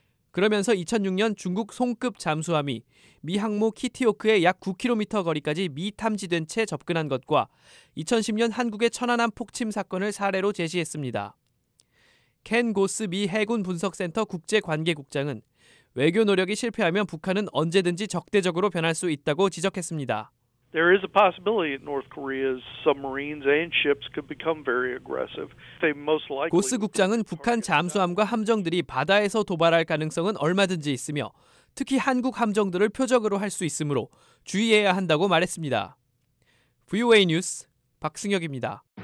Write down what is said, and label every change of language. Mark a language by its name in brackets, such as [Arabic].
[Korean] 그러면서 2006년 중국 송급 잠수함이 미 항모 키티오크의 약 9km 거리까지 미 탐지된 채 접근한 것과 2010년 한국의 천안함 폭침 사건을 사례로 제시했습니다. 켄 고스 미 해군 분석센터 국제관계국장은 외교 노력이 실패하면 북한은 언제든지 적대적으로 변할 수 있다고 지적했습니다. [English] There is a possibility that North Korea's submarines and ships could become very aggressive. They most likely. [Korean] 고스 국장은 북한 잠수함과 함정들이 바다에서 도발할 가능성은 얼마든지 있으며 특히 한국 함정들을 표적으로 할 수 있으므로 주의해야 한다고 말했습니다. VOA 뉴스 박승혁입니다.